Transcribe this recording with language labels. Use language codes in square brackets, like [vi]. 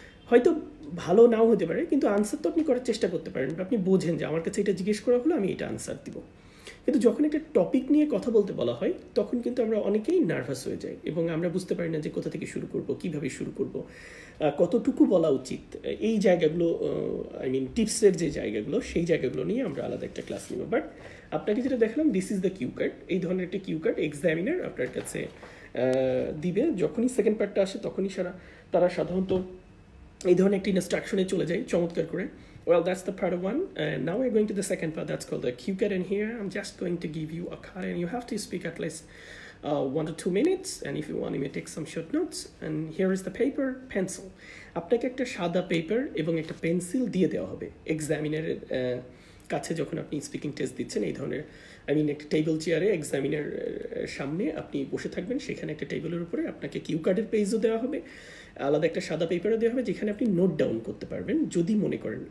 [bn] হয়তো ভালো নাও হতে পারে কিন্তু আনসার তো আপনি করার চেষ্টা করতে পারেন, আপনি বোঝেন যে আমার কাছে এটা জিজ্ঞেস করা হলো আমি এটা আনসার দিব, কিন্তু যখন একটা টপিক নিয়ে কথা বলতে বলা হয় তখন কিন্তু আমরা অনেকেই নার্ভাস হয়ে যাই এবং আমরা বুঝতে পারি না যে কোথা থেকে শুরু করব, কিভাবে শুরু করব, কতটুকু বলা উচিত, এই জায়গাগুলো আই মিন টিপসের যে জায়গাগুলো সেই জায়গাগুলো নিয়ে আমরা আলাদা একটা ক্লাস নেব। বাট আপনাকে যেটা দেখালাম [en] this is the cue card, [bn] এই ধরনের একটা কিউ কার্ড এক্সামিনার আপনার কাছে দিবে, যখনই সেকেন্ড পার্টটা আসে তখনই তারা সাধারণত এই ধরনের একটা ইনস্ট্রাকশনে চলে যাই চমৎকার করে. [en] Well, that's the part of one. And now we're going to the second part. That's called the cue card. And here, I'm just going to give you a card. And you have to speak at least 1 to 2 minutes. And if you want, you may take some short notes. And here is the paper, pencil. [bn] আপনাকে একটা সাদা paper এবং একটা pencil দিয়ে দেওয়া হবে এক্সামিনারের কাছে যখন আপনি স্পিকিং টেস্ট দিচ্ছেন. এই ধরনের একটা টেবিল চেয়ারে এক্সামিনার সামনে আপনি বসে থাকবেন, সেখানে একটা টেবিলের উপরে আপনাকে কিউ কার্ডের পেজও দেওয়া হবে, আলাদা একটা সাদা পেপারও দেওয়া হবে যেখানে আপনি নোট ডাউন করতে পারবেন যদি মনে করেন.